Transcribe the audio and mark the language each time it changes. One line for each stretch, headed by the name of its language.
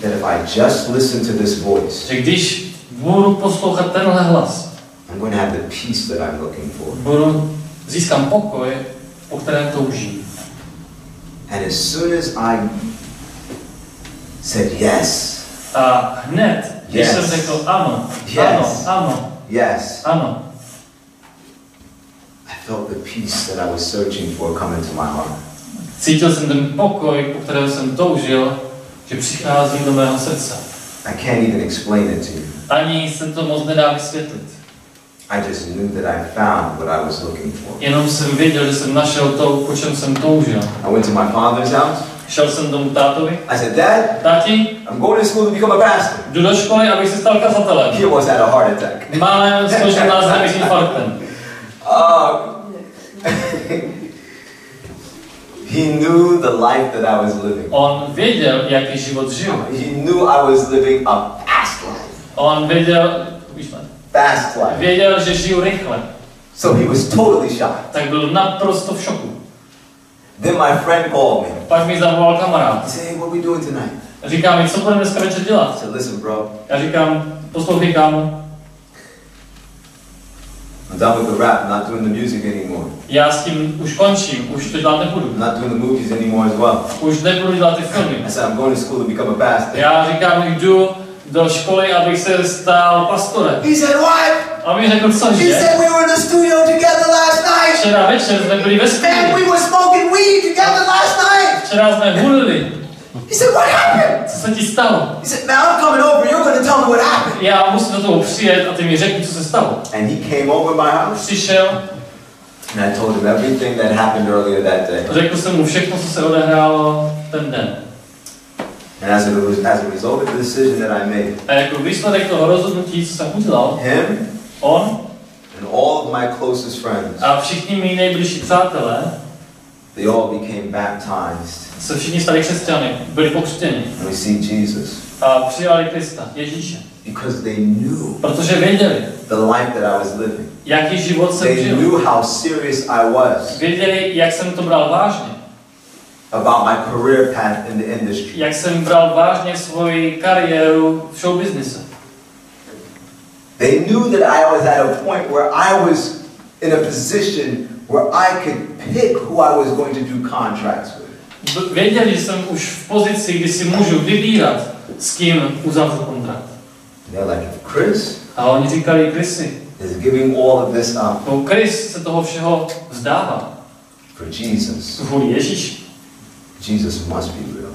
English: That if I just listen to this voice.
Czech: Že když budu poslouchat tenhle hlas.
English: I'm going to have the peace that I'm looking for.
Czech: Budu získám pokoj, po kterém toužím.
English: And as soon as I said yes.
Czech: A hned, když jsem řekl ano, ano, ano,
English: yes.
Czech: Ano.
English: I felt the peace that I was searching for come into my heart.
Czech: Cítil jsem ten pokoj, po kterém jsem toužil, že přichází do mého srdce.
English: I can't even explain it to you.
Czech: Ani se to moc nedá vysvětlit.
English: I just knew that I found what I was looking for.
Czech: Jenom jsem věděl, že jsem našel to, po čem jsem toužil.
English: I went to my father's house.
Czech: Šel jsem domů tátovi.
English: I said, Dad.
Czech: Tati.
English: I'm going to school to become a pastor.
Czech: Jdu do školy, abych se stal kazatelem.
English: He almost had a heart attack.
Czech: Málem složil nás na mysli infarktem.
English: He knew the life that I was living.
Czech: On věděl, jaký život žil.
English: He knew I was living a fast life.
Czech: On věděl, víš co?
English: Fast life.
Czech: Věděl, že žiju rychle.
English: So he was totally shocked.
Czech: Tak byl naprosto v šoku.
English: Then my friend called me.
Czech: Pak mi zavolal kamarád.
English: He said, hey, what are we doing tonight?
Czech: Říkám, co budeme dneska večer dělat?
English: I said, listen, bro.
Czech: Já říkám, poslouchej, kámo.
English: I'm done with the rap, I'm not doing the music anymore.
Czech: Já s tím už končím, už to dělat nebudu.
English: I'm not doing the movies anymore as well.
Czech: Už nebudu dělat ty filmy.
English: I said, I'm going to school to become a pastor.
Czech: Já říkám, jdu do školy, abych se stal pastorem.
English: He said, what?
Czech: A mi řekl, co,
English: he said, we were in the studio together last night.
Czech: Včera večer jsme byli ve studiu.
English: And we were smoking weed together last night.
Czech: Včera jsme hulili.
English: He said, what happened?
Czech: Co se ti stalo?
English: He said, now I'm coming over, you're going to tell me what happened.
Czech: Já musím do toho přijet a ty mi řekni, co se stalo.
English: And he came over my house.
Czech: Přišel.
English: And I told him everything that happened earlier that day.
Czech: Řekl jsem mu všechno, co se odehrálo ten den.
English: And as a result of the decision that I made.
Czech: A jako výsledek toho rozhodnutí, co jsem udělal.
English: Him.
Czech: On.
English: And all of my closest friends.
Czech: A všichni mý nejbližší přátelé.
English: They all became baptized.
Czech: Se všichni stali křesťany, byli pokřtěni.
English: And we see Jesus.
Czech: A přijali Krista, Ježíše.
English: Because they knew.
Czech: Protože věděli.
English: The life that I was living.
Czech: Jaký život jsem
English: they
Czech: žil.
English: Knew how serious I was.
Czech: Věděli, jak jsem to bral vážně.
English: About my career path in the industry.
Czech: Jak jsem bral vážně svoji kariéru v show businessu.
English: They knew that I was at a point where I was in a position where I could pick who I was going to do contracts with.
Czech: Věděl, že jsem už v pozici, kdy si můžu vybírat, s kým uzavřu kontrakt.
English: Like Chris.
Czech: A oni říkali, Chrissy.
English: Is giving all of this up.
Czech: No, Chris se toho všeho vzdává.
English: For Jesus.
Czech: Kvůli Ježíši.
English: Jesus must be real.